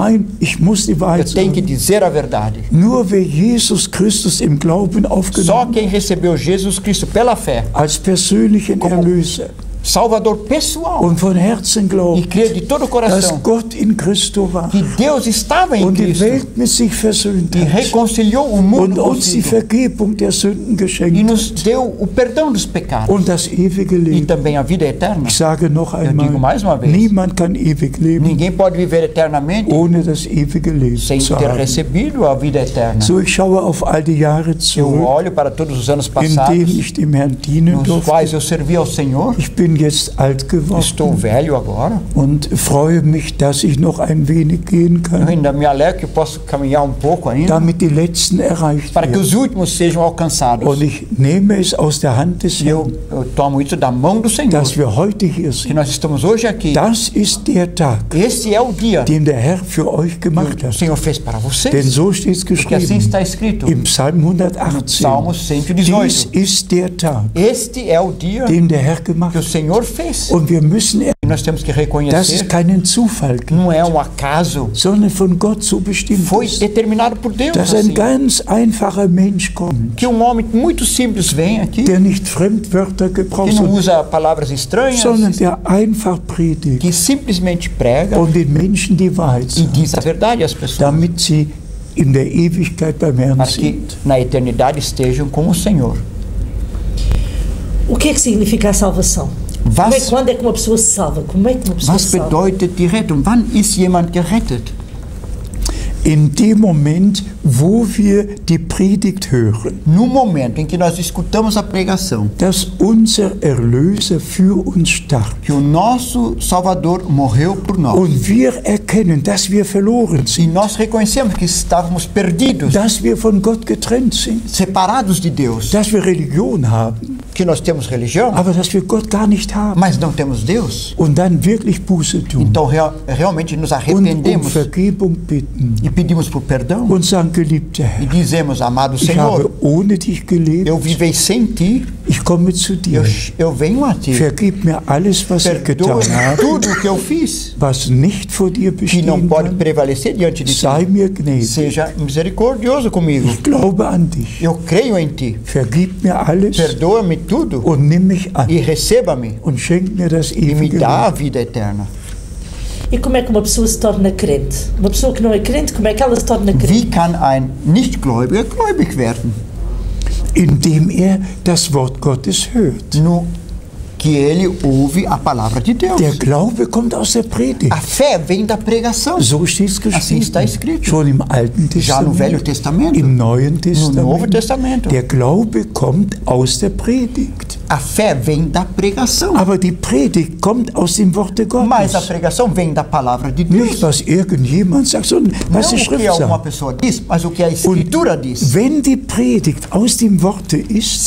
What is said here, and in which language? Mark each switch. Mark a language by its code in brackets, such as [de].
[de] nein, ich muss die Wahrheit [pt] eu tenho [de] sagen, [pt] que dizer a verdade, [de] nur wer Jesus Christus im Glauben aufgenommen. [pt] Só quem recebeu Jesus Cristo pela fé. [de] Als persönlichen Erlöser. [pt] Salvador pessoal. [de] Und von Herzen glaubt. [pt] E crer de todo o coração. [de] Dass Gott in Cristo war. [pt] Que Deus estava em [de] und [pt] Cristo. [de] Und die Welt mit sich versöhnt. [pt] E reconciliou o mundo. [de] Und uns die Vergebung der Sünden geschenkt. [pt] E nos deu o perdão dos pecados. [de] Und das ewige Leben. [pt] E também a vida eterna. [de] Ich sage noch einmal. [pt] Eu digo mais uma vez. [de] Niemand kann ewig leben. [pt] Ninguém pode viver eternamente. [de] Ohne das ewige Leben. [pt] Sem ter recebido a vida eterna. [de] So ich schaue auf all die Jahre zurück. [pt] Eu olho para todos os anos passados. [de] In denen ich dem Herrn dienen durfte. [pt] Nos quais eu servi ao Senhor. [de] Ich bin jetzt alt geworden. [pt] Estou velho agora. [de] Und freue mich, dass ich noch ein wenig gehen kann. [pt] Eu ainda me alegro que posso caminhar pouco ainda. [de] Damit die Letzten erreicht [pt] para [de] werden. [pt] Que os últimos sejam alcançados. [de] Und ich nehme es aus der Hand des Herrn. [pt] Eu tomo isso da mão do Senhor. [de] Dass wir heute hier sind. [pt] Que nós estamos hoje aqui. [de] Das ist der Tag. [pt] Esse é o dia. [de] Den der Herr für euch gemacht hat. [pt] O Senhor fez para vocês. [de] Denn so steht es geschrieben. [pt] Porque assim está escrito. [de] Im Psalm 118. [pt] Salmo 118. [de] Dies ist der Tag. [pt] Este é o dia. [de] Den der Herr gemacht hat. [pt] Senhor fez. [de] Und wir müssen [pt] nós temos que reconhecer. [de] Das ist keinen Zufall, gibt, [pt] não é acaso, [de] sondern von Gott so bestimmt. [pt] Foi determinado por Deus, [de] dass ein ganz einfacher Mensch kommt. [pt] Que homem muito simples vem aqui. [de] Der nicht Fremdwörter gebraucht, [pt] que não usa palavras estranhas, [de] sondern der einfach predigt. [pt] Que simplesmente prega. [de] Und den Menschen die Wahrheit. [pt] E diz a verdade às pessoas. [de] Damit sie in der Ewigkeit beim Herrn sind. [pt] Na eternidade estejam com o Senhor. O que é que significa a salvação? [de] Was, [pt] como é, quando é que uma pessoa se salva? Como é que uma pessoa [de] was bedeutet die Rettung? Wann ist jemand gerettet? In dem Moment, wo wir die Predigt hören. [pt] No momento em que nós escutamos a pregação. [de] Dass unser Erlöser für uns starb. [pt] Que o nosso Salvador morreu por nós. [de] Und wir erkennen, dass wir verloren sind. [pt] E nós reconhecemos que estávamos perdidos. [de] Dass wir von Gott getrennt sind. [pt] Separados de Deus. [de] Dass wir Religion haben. [pt] Que nós temos religião, [de] aber dass wir Gott gar nicht haben. [pt] Mas não temos Deus. [de] Und dann wirklich Buße tun. [pt] Então, realmente nos arrependemos. [de] Und Vergebung bitten. [pt] E pedimos por perdão. [de] Und sagen, geliebter Herr, [pt] e dizemos, amado Senhor, [de] ich habe ohne dich gelebt. [pt] Eu vivei sem ti. [de] Ich komme zu dir. [pt] Eu venho a ti. [de] Vergib mir alles, was ich getan habe, [pt] tudo que eu fiz, [de] was nicht vor dir bestehen kann, [pt] que não pode prevalecer diante de ti. [de] Sei mir gnädig. [pt] Seja misericordioso comigo. [de] Ich glaube an dich. [pt] Eu creio em ti. [de] Vergib mir alles. [pt] Perdoa-me tudo. [de] Und nimm mich an. [pt] E receba-me. [de] Und schenk mir das ewige Leben. [pt] E me dá a vida eterna. E como é que uma pessoa se torna crente? Uma pessoa que não é crente, como é que ela se torna crente? [de] Wie kann ein Nichtgläubiger gläubig werden? Indem er das Wort Gottes hört. [pt] No, que ele ouve a palavra de Deus. [de] Der Glaube kommt aus der Predigt. [pt] A fé vem da pregação. [de] So steht es geschrieben. [pt] Assim está escrito. [de] Schon im Alten Testament. [pt] Já no Velho Testamento. [de] Im Neuen Testament. [pt] No Novo Testamento. [de] Der Glaube kommt aus der Predigt. [pt] A fé vem da pregação. [de] Aber die Predigt kommt aus dem Wort Gottes. [pt] Mas a pregação vem da palavra de Deus. [de] Nicht, was irgendjemand sagt, sondern [pt] não [de] was die Schrift [pt] Não o que alguma pessoa diz, mas o que a Escritura [de] und [pt] diz. [de] Wenn die Predigt aus dem Wort ist,